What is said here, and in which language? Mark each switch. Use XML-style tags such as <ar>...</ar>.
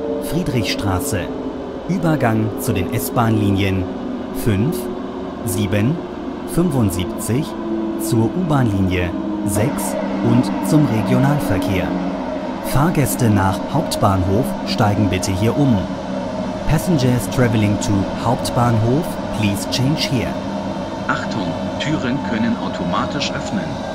<de>Friedrichstraße. Übergang zu den S-Bahn-Linien 5, 7, 75 zur U-Bahn-Linie 6 und zum Regionalverkehr. Fahrgäste nach Hauptbahnhof steigen bitte hier um.</de> <en>Passengers traveling to Hauptbahnhof, please change here.</en> <de>Achtung, Türen können automatisch öffnen.</de>